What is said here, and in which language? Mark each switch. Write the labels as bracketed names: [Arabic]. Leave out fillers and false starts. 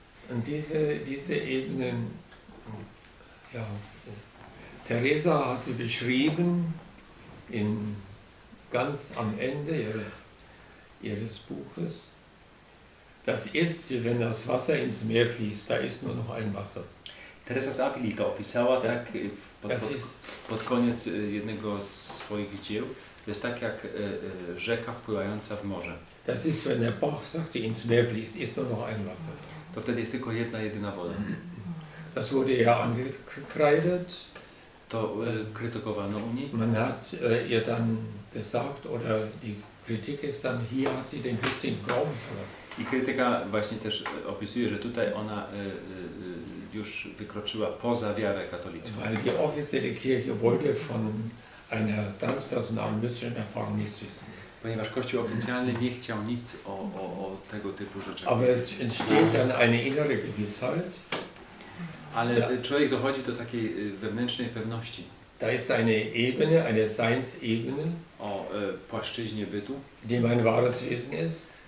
[German] Und diese Ebene, ja, Teresa hat sie beschrieben in ganz am Ende ihres Buches. Das ist, wie wenn das Wasser ins Meer fließt, da ist nur noch ein Wasser. [Polish] Teresa z Avili to opisała tak pod koniec jednego z swoich dzieł. To jest tak jak rzeka wpływająca w morze. [German] Das ist, wenn der Bach sagt, ins Meer fließt, ist nur noch ein Wasser. [Polish] To wtedy jest tylko jedna jedyna woda. [German] Das wurde ja angekreidet. [Polish] To krytykowano u niej. [German] Man hat ihr dann gesagt, oder die Kritik ist dann, hier hat sie den christlichen Glauben verlassen. [Polish] I krytyka właśnie też opisuje, że tutaj ona już wykroczyła poza wiarę katolicką. [German] Weil die offizielle Kirche wollte von einer transpersonalen mystischen Erfahrung nichts wissen. [Polish] Ponieważ Kościół oficjalny nie chciał nic o tego typu rzeczach. [German] Aber es entsteht dann eine innere Gewissheit. [Polish] Ale da, człowiek dochodzi do takiej wewnętrznej pewności. [German] Da ist eine Ebene, eine Seinsebene. [Polish] O płaszczyźnie bytu. [German] Die mein wahres Wesen ist.